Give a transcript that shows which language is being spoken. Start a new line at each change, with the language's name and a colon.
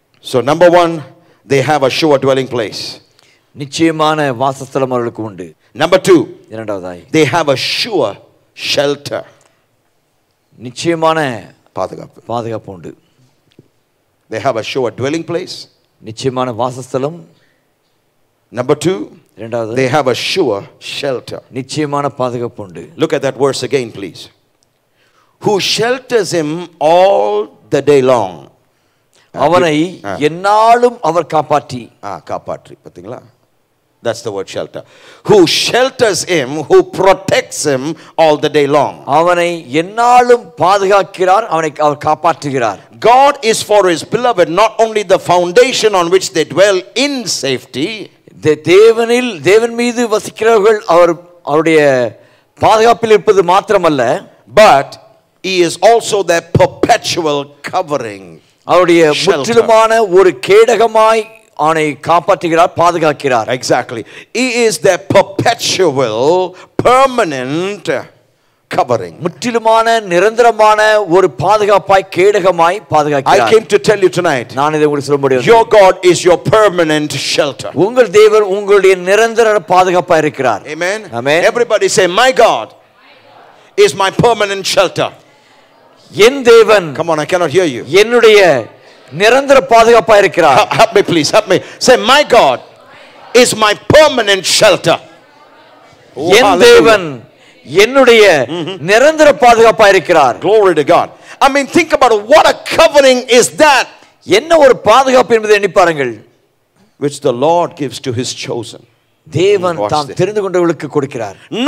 English: So number one, they have a sure dwelling place.
Tamil: நிச்சயமான வாசஸ்தலம் அவர்களுக்கு உண்டு.
English: Number two,
Tamil: இரண்டாவதாய்,
English: they have a sure shelter.
Tamil: நிச்சயமான பாதுகாப்பு உண்டு.
English: They have a sure dwelling place.
Tamil: நிச்சயமான வாசஸ்தலம்.
English: Number two,
Tamil: இரண்டாவது,
English: they have a sure shelter.
Tamil: நிச்சயமான பாதுகாப்பு உண்டு.
English: Look at that verse again, please. Who shelters him all the day long.
Tamil: அவனை எந்நாளும் அவர் காப்பாற்றி. காப்பாற்றி, பார்த்தீங்களா?
English: That's the word shelter. Who shelters him, who protects him all the day long.
Tamil: அவனை எந்நாளும் பாதுகாக்கிறார், அவனை அவர் காப்பாற்றுகிறார்.
English: God is for his beloved not only the foundation on which they dwell in safety.
Tamil: தேவனில் தேவன் மீது வசிக்கிறவர்கள் அவருடைய பாதுகாப்பில் இருப்பது மாத்திரமல்ல,
English: but he is also their perpetual covering.
Tamil: அவருடைய முற்றிலுமான ஒரு கேடகமாய் அவனை காப்பாற்றுகிறார், பாதுகாக்கிறார்.
English: Exactly, he is the perpetual permanent covering.
Tamil: முற்றிலுமான நிரந்தரமான ஒரு பாதுகாப்பாய் கேடகமாய் பாதுகாக்கிறார்.
English: I came to tell you tonight,
Tamil: நான் இதை உங்களுக்கு சொல்ல முடியும்,
English: Your God is your permanent shelter.
Tamil: உங்கள் தேவர் உங்களுடைய நிரந்தர பாதுகாப்பாய் இருக்கிறார். ஆமென், ஆமென்.
English: Everybody say, my God is my permanent shelter.
Tamil: என் தேவன்,
English: come on, I cannot hear you,
Tamil: என்னுடைய நிரந்தர பாதுகாப்பா இருக்கிறார்.
English: Help me, please, help me. Say, my God is my permanent shelter.
Tamil: என் தேவன் என்னுடைய நிரந்தர பாதுகாப்பா இருக்கிறார்.
English: Glory to God. I mean, think about what a covering is that.
Tamil: என்ன ஒரு பாதுகாப்பு என்பதை எண்ணி பாருங்கள்.
English: Which the Lord gives to his chosen.
Tamil: தேவன் தாம் தெரிந்து கொண்டவர்களுக்கு கொடுக்கிறார்.